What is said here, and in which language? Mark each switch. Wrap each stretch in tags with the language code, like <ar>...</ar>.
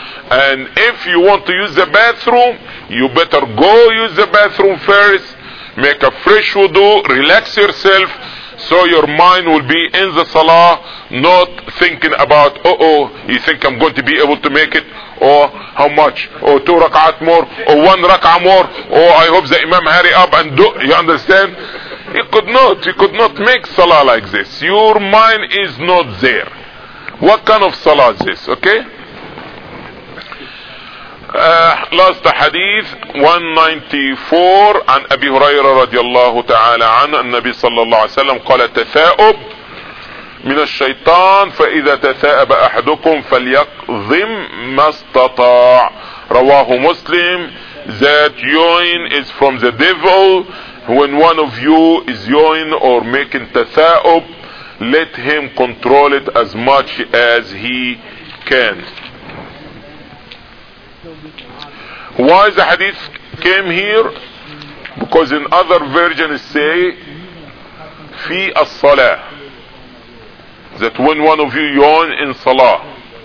<en>And if you want to use the bathroom, you better go use the bathroom first, make a fresh wudu, relax yourself, so your mind will be in the salah, not thinking about, you think I'm going to be able to make it, or how much, or 2 rak'at more, or 1 rak'ah more, or I hope the imam hurry up and do, you understand? You could not make salah like this. Your mind is not there. What kind of salah is this, okay? Last hadith 194</en> <ar>عن أبي هريرة رضي الله تعالى عنه النبي صلى الله عليه وسلم قال تثاؤب من الشيطان فإذا تثاؤب أحدكم فليقظم ما استطاع رواه مسلم.</ar> <en>That yawn is from the devil. When one of you is yawning or making</en> <ar>تثاؤب,</ar> <en>let him control it as much as he can. Why the hadith came here? Because in other versions say fi as-salah, that when one of you yawn in salah.</en>